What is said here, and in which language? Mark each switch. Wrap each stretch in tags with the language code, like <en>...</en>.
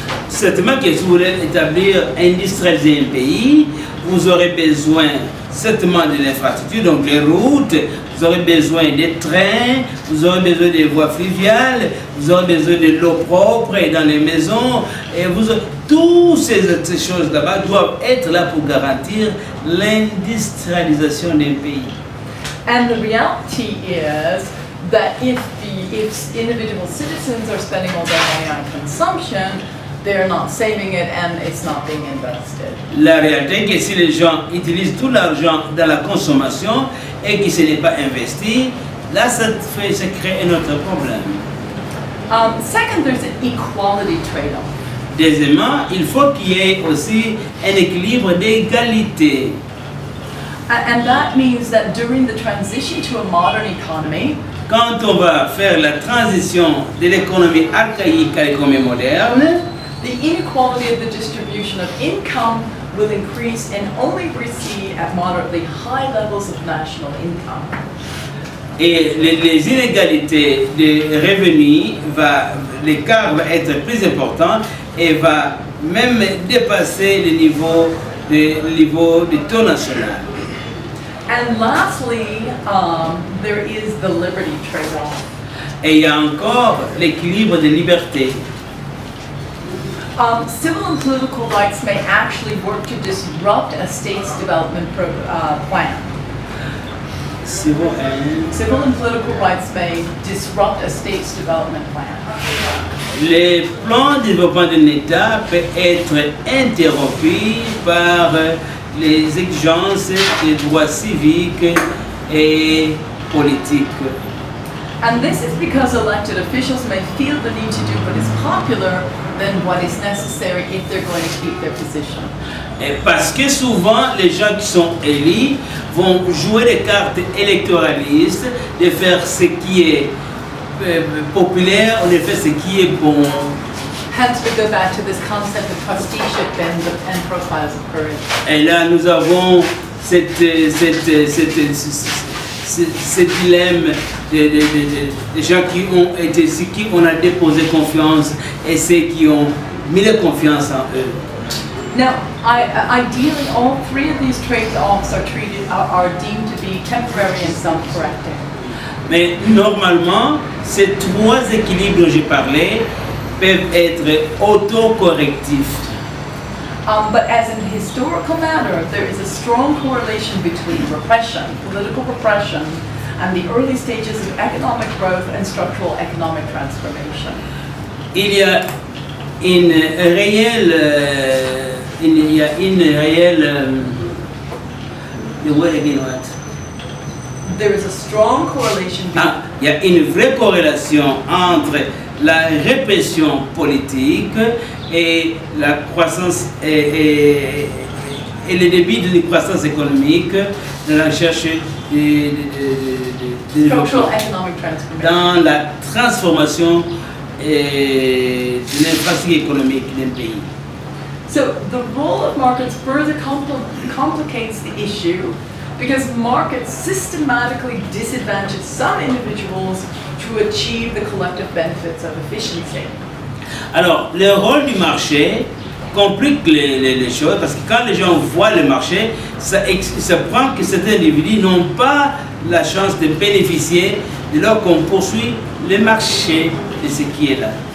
<fr>Certainement que si vous voulez établir industrialiser un pays, vous aurez besoin certainement de l'infrastructure, donc les routes, vous aurez besoin des trains, vous aurez besoin des voies fluviales, vous aurez besoin de l'eau propre dans les maisons, et vous aurez, toutes ces choses là-bas doivent être là pour garantir l'industrialisation d'un pays.</fr> <en>And the reality is that if individual citizens are spending all their money on consumption, they're not saving it and it's not being invested.</en> <fr>La réalité est que si les gens utilisent tout l'argent dans la consommation et que ce n'est pas investi, là ça fait se créer un autre problème.</fr> <en>Second, there's an equality trade-off.</en> <fr>Deuxièmement, il faut qu'il y ait aussi un équilibre d'égalité.</fr> <en>And that means that during the transition to a modern economy,</en> <fr>quand on va faire la transition de l'économie archaïque à l'économie moderne,</fr> <en>the inequality of the distribution of income will increase and only recede at moderately high levels of national income.</en> <fr>Et les inégalités de revenus, l'écart va être plus important et va même dépasser le niveau du taux national.</fr> <en>And lastly, there is the liberty trade-off.</en> <fr>Et il y a encore l'équilibre des libertés.</fr> <en>Civil and political rights may actually work to disrupt a state's development plan. Civil and political rights may disrupt a state's development plan.</en> <fr>Le plan de développement d'un État peut être interrompu par les exigences des droits civiques et politiques.</fr> <en>And this is because elected officials may feel the need to do what is popular than what is necessary if they're going to keep their position.</en> <fr>Et parce que souvent les gens qui sont élus vont jouer les cartes électoralistes de faire ce qui est populaire, en effet, ce qui est bon.</fr> <en>Hence, we go back to this concept of trusteeship and profiles of courage.</en> <fr>Et là, nous avons cette dilemme des gens qui ont été ceux qui ont déposé confiance et ceux qui ont mis la confiance en eux.</fr> <en>Now, ideally, all three of these trade-offs are deemed to be temporary and self-correcting.</en> <fr>Mais normalement, ces trois équilibres dont j'ai parlé peuvent être autocorrectifs.</fr> <en>But as in a historical matter, there is a strong correlation between repression, political repression, and the early stages of economic growth and structural economic transformation.</en> <fr>Il y a une vraie corrélation entre la répression politique et la croissance et le débit de la croissance économique dans la recherche de</fr> <en>structural economic transformation.</en> <fr>Dans la transformation de l'infrastructure économique d'un pays.</fr> <en>So the role of markets further complicates the issue because markets systematically disadvantage some individuals to achieve the collective benefits of efficiency.</en> <fr>Alors, le rôle du marché complique les choses parce que quand les gens voient le marché, ça prend que certains individus n'ont pas la chance de bénéficier dès lors qu'on poursuit le marché de ce qui est là.</fr>